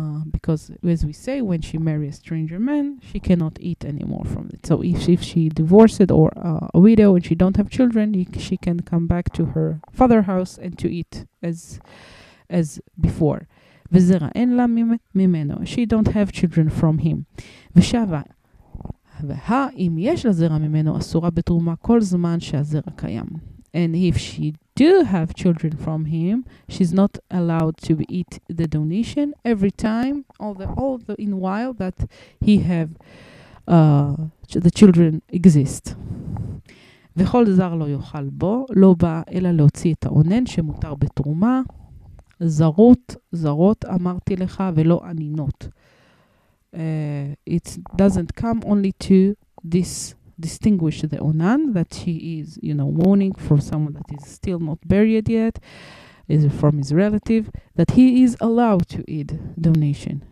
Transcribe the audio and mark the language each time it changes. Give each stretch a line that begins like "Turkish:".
English: Because as we say, when she marries a stranger man, she cannot eat anymore from it. So if she divorced or a widow and she don't have children, she can come back to her father house and to eat as before.
Hebrew: וזרע אין לה ממנו.
English: She don't have children from him.
Hebrew: ושבה, והא אם יש לה זרע ממנו, אסורה בתרומה כל זמן שהזרע קיים.
English: And if she do have children from him, she's not allowed to eat the donation every time, all the in while that he have the children exist.
Hebrew: וכל זר לא יאכל בו, לא בא אלא להוציא את העונן שמותר בתרומה. זרות אמרתי לך, ולא אנינות.
English: It doesn't come only to this distinguish the onan, that he is, you know, mourning for someone that is still not buried yet, is from his relative, that he is allowed to eat donation.